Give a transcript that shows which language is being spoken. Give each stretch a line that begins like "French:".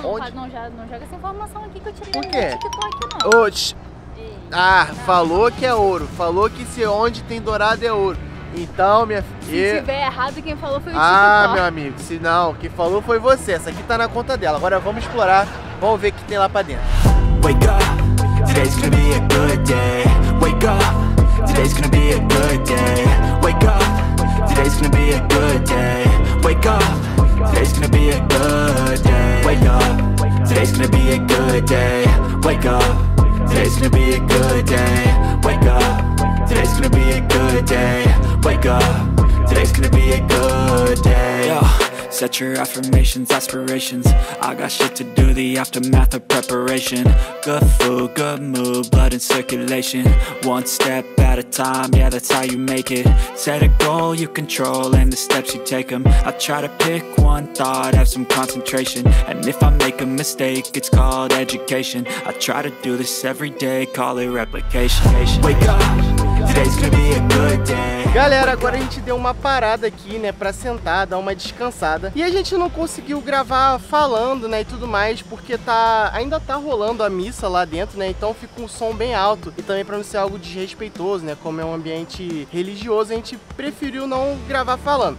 Portuguese: Não joga essa informação aqui que eu tirei no TikTok, não. Oxi. Ah, não. Falou que é ouro. Falou que se onde tem dourado é ouro. Então, minha filha... Se tiver errado, quem falou foi o TikTok. Ah, meu amigo. Se não, quem falou foi você. Essa aqui tá na conta dela. Agora vamos explorar. Vamos ver o que tem lá pra dentro.
English: Wake up, today's gonna be a good day. Wake up, today's gonna be a good day. Wake up, today's gonna be a good day. Wake up, today's gonna be a good day. Wake up, today's gonna be a good day. Wake up, today's gonna be a good day. Wake up, today's gonna be a good day. Wake up, today's gonna be a good day. Yo, set your affirmations, aspirations. I got shit to do, the aftermath of preparation. Good food, good mood, blood in circulation. One step at a time, yeah, that's how you make it. Set a goal you control and the steps you take them. I try to pick one thought, have some concentration. And if I make a mistake, it's called education. I try to do this every day, call it replication. Wake up, today's gonna be a good day.
Portuguese: Galera, agora a gente deu uma parada aqui, né, pra sentar, dar uma descansada. E a gente não conseguiu gravar falando, né, e tudo mais, porque ainda tá rolando a missa lá dentro, né, então fica um som bem alto. E também pra não ser algo desrespeitoso, né, como é um ambiente religioso, a gente preferiu não gravar falando.